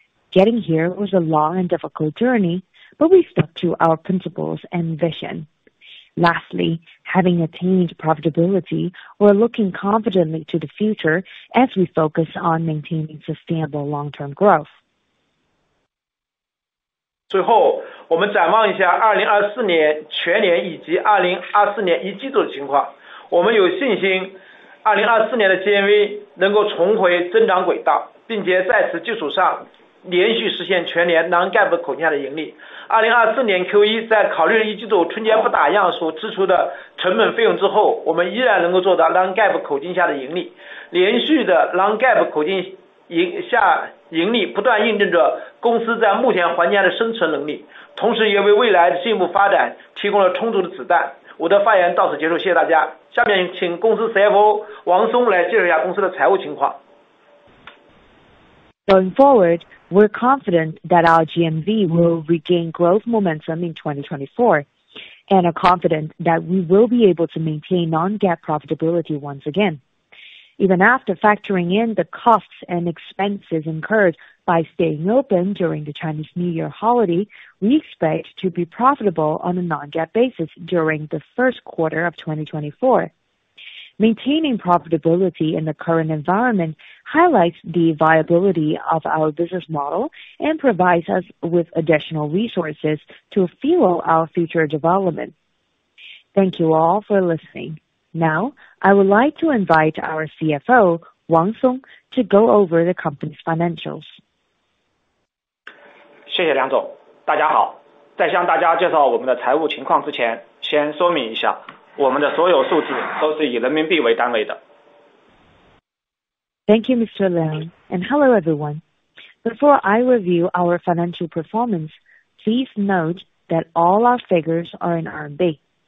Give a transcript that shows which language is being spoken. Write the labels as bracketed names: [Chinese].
[English] Getting here was a long and difficult journey, but we stuck to our principles and vision. Lastly, having attained profitability, we're looking confidently to the future as we focus on maintaining sustainable long-term growth. [Chinese] 最后，我们展望一下2024年全年以及2024年一季度的情况。我们有信心2024年的 GMV 能够重回增长轨道，并且在此基础上连续实现全年 non-GAAP 口径下的盈利。 2024年 Q1 在考虑了一季度春节不打烊所支出的成本费用之后，我们依然能够做到 non-GAAP 口径下的盈利，连续的 non-GAAP 口径下盈利不断印证着公司在目前环境下的生存能力，同时也为未来的进一步发展提供了充足的子弹。我的发言到此结束，谢谢大家。下面请公司 CFO 王松来介绍一下公司的财务情况。 [English] Going forward, we're confident that our GMV will regain growth momentum in 2024, and are confident that we will be able to maintain non-GAAP profitability once again. Even after factoring in the costs and expenses incurred by staying open during the Chinese New Year holiday, we expect to be profitable on a non-GAAP basis during the first quarter of 2024. Maintaining profitability in the current environment highlights the viability of our business model and provides us with additional resources to fuel our future development. Thank you all for listening. Now, I would like to invite our CFO, Wang Song, to go over the company's financials. [Chinese] 谢谢梁总，大家好。在向大家介绍我们的财务情况之前，先说明一下。我们的所有数字都是以人民币为单位的。 [English] Thank you, Mr. Liang, and hello, everyone. Before I review our financial performance, please note that all our figures are in RMB.